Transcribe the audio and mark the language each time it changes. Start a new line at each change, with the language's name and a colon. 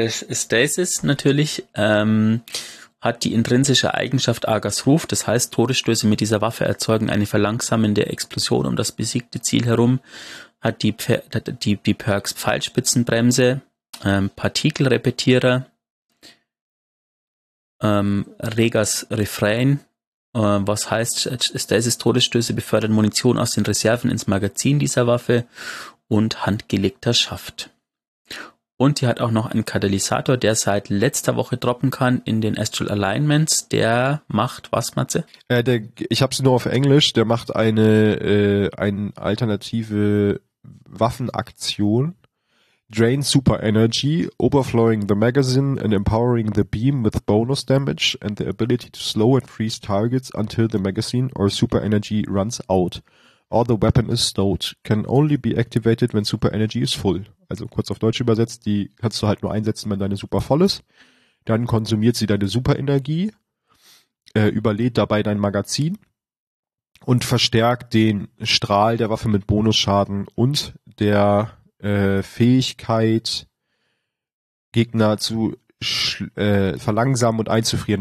German: Stasis natürlich hat die intrinsische Eigenschaft Agas Ruf, das heißt, Todesstöße mit dieser Waffe erzeugen eine verlangsamende Explosion um das besiegte Ziel herum, hat die Perks Pfeilspitzenbremse, Partikelrepetierer, Regas Refrain, was heißt, Stasis Todesstöße befördern Munition aus den Reserven ins Magazin dieser Waffe und handgelegter Schaft. Und die hat auch noch einen Katalysator, der seit letzter Woche droppen kann in den Astral Alignments. Der macht was, Matze? Ich habe sie nur auf Englisch. Der macht eine alternative Waffenaktion.
English: Drain Super Energy, overflowing the magazine and empowering the beam with bonus damage and the ability to slow and freeze targets until the magazine or Super Energy runs out. Or the weapon is stowed. Can only be activated when Super Energy is full.
German: Also kurz auf Deutsch übersetzt, die kannst du halt nur einsetzen, wenn deine Super voll ist. Dann konsumiert sie deine Superenergie, überlädt dabei dein Magazin und verstärkt den Strahl der Waffe mit Bonusschaden und der Fähigkeit, Gegner zu verlangsamen und einzufrieren.